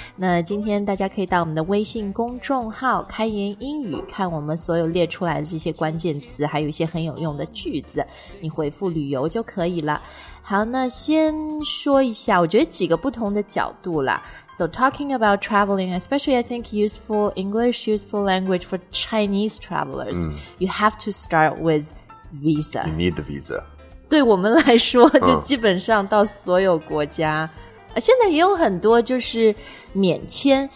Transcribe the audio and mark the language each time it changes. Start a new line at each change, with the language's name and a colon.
Chinese: 那今天大家可以到我们的微信公众号开言英语看我们所有列出来的这些关键词还有一些很有用的句子你回复旅游就可以了。好那先说一下我觉得几个不同的角度啦。
English: So talking about traveling, especially I think useful English, useful language for Chinese travelers,、mm. you have to start withVisa. You need the visa.
Chinese: 对我们来说就基本上到所有国家、现在也有很多就是免签